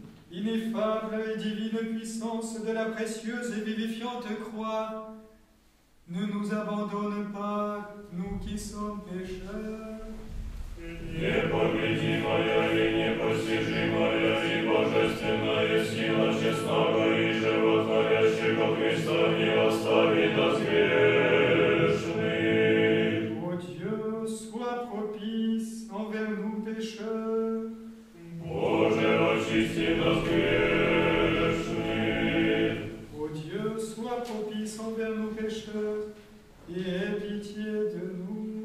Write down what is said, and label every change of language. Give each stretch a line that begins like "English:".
French: ineffable et divine puissance de la précieuse et vivifiante croix, ne nous abandonne pas, nous qui sommes pécheurs.
Church Slavic: Непобедимая и непостижимая и божественная сила честного и животворящего Христа не оставит нас грешных.
French: О Dieu, sois propice envers nous pécheurs.
Church Slavic: Боже, очисти нас грешных.
French: О Dieu, sois propice envers nous pécheurs et aie pitié de nous.